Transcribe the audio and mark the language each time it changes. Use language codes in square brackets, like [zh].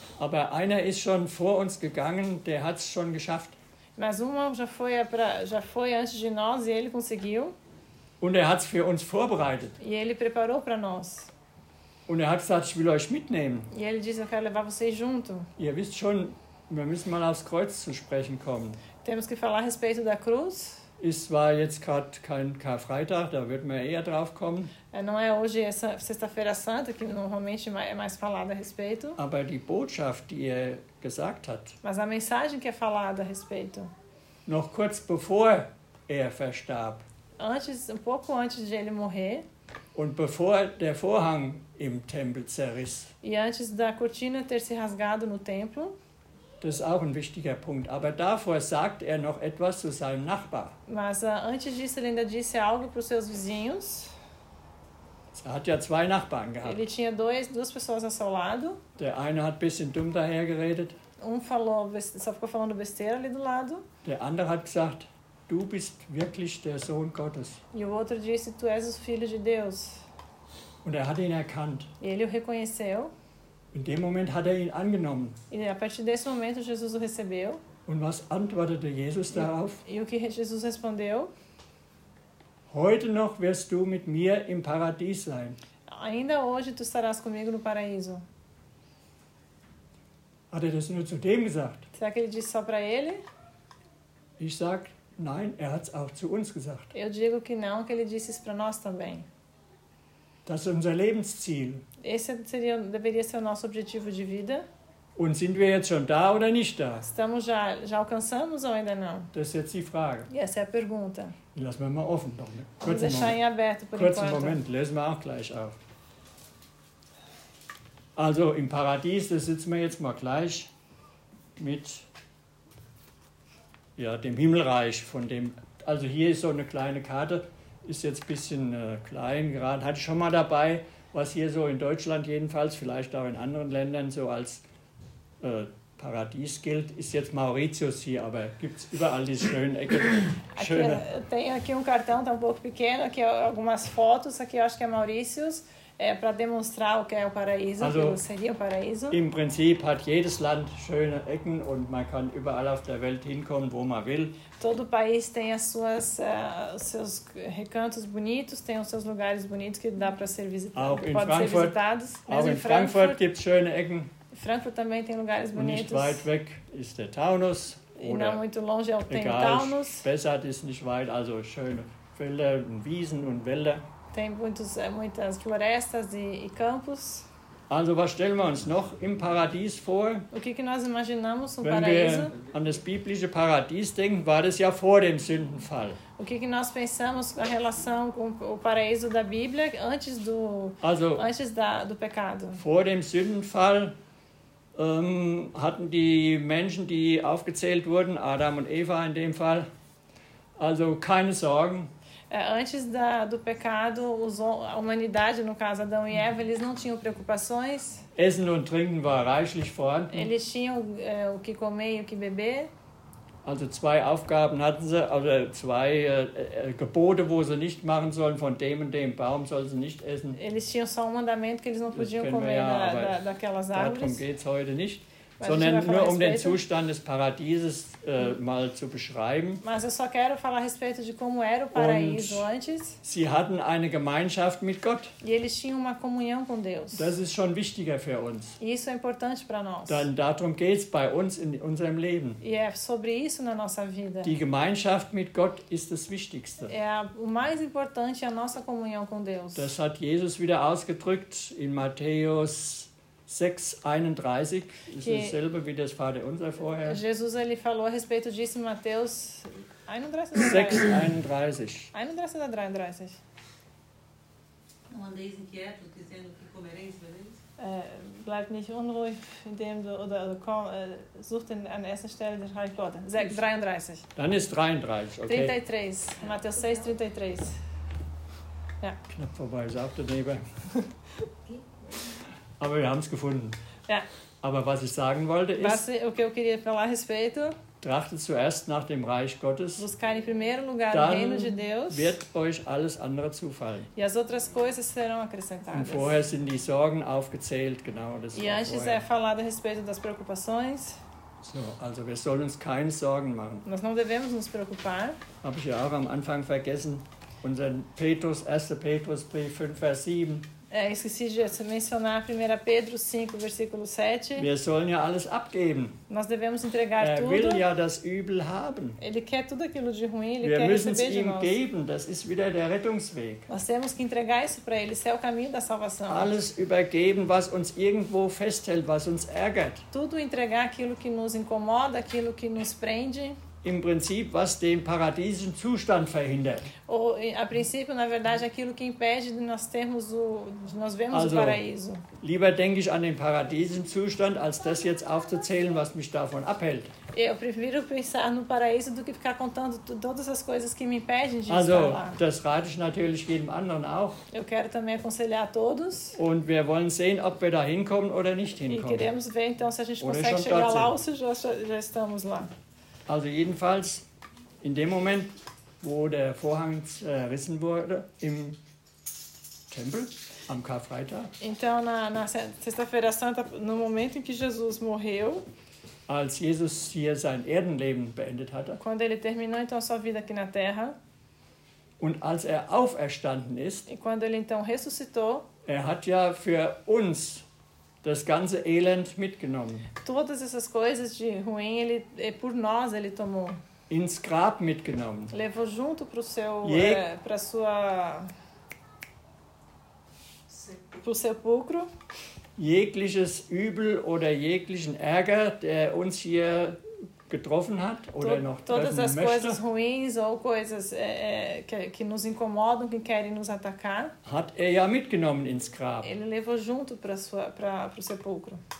[de] Aber einer ist schon vor uns gegangen, der hat's schon geschafft. [pt] Mas um já foi antes de nós e ele conseguiu. [de] Und hat's für uns vorbereitet. [pt] E ele preparou para nós. [de] Und hat gesagt, ich will euch mitnehmen. [pt] E ele disse, eu quero levar vocês junto. [de] Ihr wisst schon, wir müssen mal aufs Kreuz zu sprechen kommen. [pt] Temos que falar a respeito da cruz. [de] Es war jetzt gerade kein Karfreitag, da wird man eher drauf kommen. [pt] Não é hoje essa Sexta-feira Santa, que normalmente é mais falada a respeito. [de] Aber die Botschaft, die er gesagt hat. [pt] Mas a mensagem que é falada a respeito. [de] Noch kurz bevor er verstarb. [pt] Antes, um pouco antes de ele morrer. [de] Und bevor der Vorhang im Tempel zerriss. [pt] E antes da cortina ter se rasgado no templo. [de] Das ist auch ein wichtiger Punkt. Aber davor sagt er noch etwas zu seinem Nachbar. [pt] Mas antes disso ele ainda disse algo para os seus vizinhos. [de] Er hat ja zwei Nachbarn gehabt. [pt] Ele tinha duas pessoas ao seu lado. [de] Der eine hat ein bisschen dumm daher geredet. [pt] Só ficou falando besteira ali do lado. [de] Der andere hat gesagt, du bist wirklich der Sohn Gottes. [pt] E o outro disse, tu és o Filho de Deus. [de] Und er hat ihn erkannt. [pt] E ele o reconheceu. [de] In dem Moment hat er ihn angenommen. [pt] E a partir desse momento Jesus o recebeu. [de] Und was antwortete Jesus darauf? [pt] E o que Jesus respondeu? [de] Heute noch wirst du mit mir im Paradies sein. [pt] Ainda hoje tu estarás comigo no paraíso. [de] Hat er das nur zu dem gesagt? [pt] Será que ele disse só para ele? [de] Ich sag, nein, er hat's auch zu uns gesagt. [pt] Eu digo que não, que ele disse isso para nós também. [de] Das ist unser Lebensziel. [pt] Esse seria, deveria ser o nosso objetivo de vida. [de] Und sind wir jetzt schon da oder nicht da? [pt] Estamos já alcançamos ou ainda não? [de] Das ist jetzt die Frage. [pt] E essa é a pergunta. [de] Lassen wir mal offen noch. Ne? [pt] Vamos deixar em aberto por [de] Kurzen [pt] enquanto. [de] Moment, lesen wir auch gleich auf. Also im Paradies, da sitzen wir jetzt mal gleich mit ja, dem Himmelreich. Also hier ist so eine kleine Karte. Ist jetzt ein bisschen klein gerade. Hatte ich schon mal dabei, was hier so in Deutschland jedenfalls, vielleicht auch in anderen Ländern, so als Paradies gilt, ist jetzt Mauritius hier, aber gibt's überall diese schönen Ecken. [pt] Tem aqui um cartão, tá um pouco pequeno, aqui algumas fotos, aqui eu acho que é Mauritius, para demonstrar o que é o paraíso, [de] also, [pt] que seria o paraíso. [de] Im Prinzip hat jedes Land schöne Ecken und man kann überall auf der Welt hinkommen, wo man will. [pt] Todo país tem as suas seus recantos bonitos, tem os seus lugares bonitos que dá para ser visitado, [de] auch [pt] que pode ser visitado. [de] Auch in Frankfurt gibt's schöne Ecken. [pt] Frankfurt também tem lugares bonitos. [de] Nicht weit weg ist der Taunus. [pt] E não muito longe é o Taunus. [de] Bessart ist nicht weit, also schöne Felder und Wiesen und Wälder. [pt] Tem muitos, muitas florestas e campos. [de] Also was stellen wir uns noch im Paradies vor? [pt] O que nós imaginamos um [de] Wenn [pt] paraíso? [de] Wir an das biblische Paradies denken, war das ja vor dem Sündenfall. [pt] O que nós pensamos com a relação com o paraíso da Bíblia antes do, [de] also, [pt] antes da, do pecado? [de] Vor dem Sündenfall hatten die Menschen, die aufgezählt wurden, Adam und Eva in dem Fall, also keine Sorgen. [pt] Antes da, do pecado, a humanidade, no caso Adão e Eva, eles não tinham preocupações. [de] Essen und Trinken war reichlich vorhanden. [pt] Eles tinham o que comer e o que beber. [de] Also zwei Aufgaben hatten sie, also zwei Gebote, wo sie nicht machen sollen, von dem und dem Baum sollen sie nicht essen. [pt] Eles tinham só um mandamento que eles não podiam comer daquelas árvores. [de] Darum geht's heute nicht, sondern nur um den Zustand des Paradieses mal zu beschreiben. [pt] Mas eu só quero falar a respeito de como era o paraíso [de] und [pt] antes. [de] Sie hatten eine Gemeinschaft mit Gott. [pt] E eles tinham uma comunhão com Deus. [de] Das ist schon wichtiger für uns. [pt] E isso é importante para nós. [de] Dann darum geht's bei uns in unserem Leben. [pt] E é sobre isso na nossa vida. [de] Die Gemeinschaft mit Gott ist das Wichtigste. [pt] É o mais importante, a nossa comunhão com Deus. [de] Das hat Jesus wieder ausgedrückt in Matthäus 6:31, ist dasselbe wie das Vaterunser vorher. [pt] Jesus, ele falou a respeito disso em Mateus 6:31. 6:31. Não andeis inquieto, dizendo que comereis, bebereis? [de] Bleib nicht unruhig, indem du, oder komm, sucht an erster Stelle den Reich Gottes. 6:33. Dann ist 33, okay. [pt] 33, Mateus 6:33. [de] Ja. Knapp vorbei, sagt der Neber. Aber wir haben es gefunden. Ja. Aber was ich sagen wollte ist, was, okay, [pt] eu queria falar a respeito, [de] trachtet zuerst nach dem Reich Gottes, [pt] buscar em primeiro lugar [de] dann [pt] o Reino de Deus, [de] wird euch alles andere zufallen. [pt] E as outras coisas serão acrescentadas. [de] Und vorher sind die Sorgen aufgezählt, genau das. [pt] E antes é falado a respeito das preocupações. [de] So, also wir sollen uns keine Sorgen machen. [pt] Nós não devemos nos preocupar. [de] Habe ich ja auch am Anfang vergessen, unseren Petrus, 1. Petrus 5, Vers 7. [pt] Esqueci de mencionar 1 Pedro 5, versículo 7. [de] Wir sollen ja alles abgeben. [pt] Nós devemos entregar [de] er [pt] tudo. [de] Will ja das Übel haben. [pt] Ele quer tudo aquilo de ruim, ele [de] Wir [pt] quer [de] müssen [pt] receber [de] es ihm [pt] de nós. [de] Geben. Das ist wieder der Rettungsweg. [pt] Nós temos que entregar isso para ele, isso é o caminho da salvação. [de] Alles übergeben, was uns irgendwo festhält, was uns ärgert. [pt] Tudo entregar aquilo que nos incomoda, aquilo que nos prende. [de] Im Prinzip, was den paradiesischen Zustand verhindert. [pt] A princípio, na verdade, aquilo que impede de nós termos o, de nós vemos [de] also, [pt] o paraíso. [de] Lieber denke ich an den paradiesischen Zustand, als das jetzt aufzuzählen, was mich davon abhält. [pt] Eu prefiro pensar no paraíso do que ficar contando todas as coisas que me impedem de [de] also, [pt] estar lá. [de] Das rate ich natürlich jedem anderen auch. [pt] Eu quero também aconselhar a todos. [de] Und wir wollen sehen, ob wir da hinkommen oder nicht hinkommen. [pt] E queremos ver então se a gente [de] oder [pt] consegue chegar lá ou se já estamos lá. [de] Also jedenfalls in dem Moment, wo der Vorhang zerrissen wurde im Tempel am Karfreitag. [pt] Então na Sexta-feira Santa, no momento em que Jesus morreu, [de] als Jesus hier sein Erdenleben beendet hatte. [pt] Quando ele terminou então sua vida aqui na Terra. [de] Und als er auferstanden ist. [pt] E quando ele então ressuscitou. [de] Er hat ja für uns das ganze Elend mitgenommen. [pt] Todas essas coisas de ruim, ele, por nós, ele tomou. [de] Ins Grab mitgenommen. [pt] Levou junto pro seu, pra sua, pro sepulcro. [de] Jegliches Übel oder jeglichen Ärger, der uns hier getroffen hat oder noch treffen möchte. [pt] Todas as coisas ruins ou coisas que nos incomodam, que querem nos atacar. [de] Hat er ja mitgenommen ins Grab. [pt] Ele levou junto para sua para pro sepulcro.